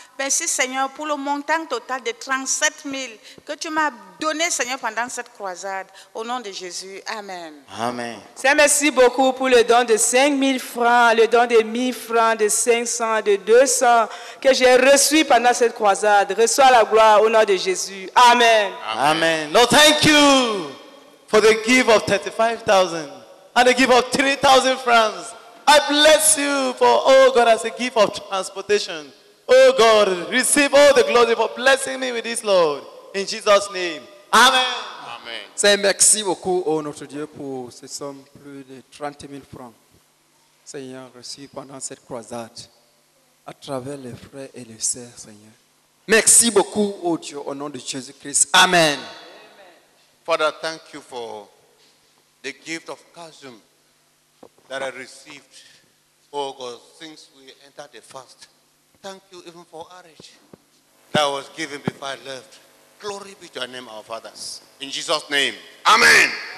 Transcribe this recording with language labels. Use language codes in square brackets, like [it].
[fr] Merci, Seigneur, pour le montant total de 37 000 que tu m'as donné, Seigneur, pendant cette croisade. Au nom de Jésus. Amen. Amen. Seigneur, merci beaucoup pour le don de 5 000 francs, le don de 1 000 francs, de 500, de 200 que j'ai reçu pendant cette croisade. Reçois la gloire au nom de Jésus. Amen. Amen. Amen. [en] Lord, thank you for the give of 35,000 and the give of 3,000 francs. I bless you for, oh God, as a gift of transportation. Oh God, receive all the glory for blessing me with this, Lord. In Jesus' name. Amen. Amen. [fr] Seigneur, merci beaucoup, oh notre Dieu, pour ces sommes plus de 30 000 francs. Seigneur, reçu pendant cette croisade à travers les frères et les sœurs, Seigneur. Merci beaucoup, oh Dieu, au nom de Jésus-Christ. Amen. [en] Father, thank you for the gift of chasm that I received, oh God, since we entered the fast. Thank you even for courage that was given before I left. Glory be to your name, our fathers. In Jesus' name. Amen.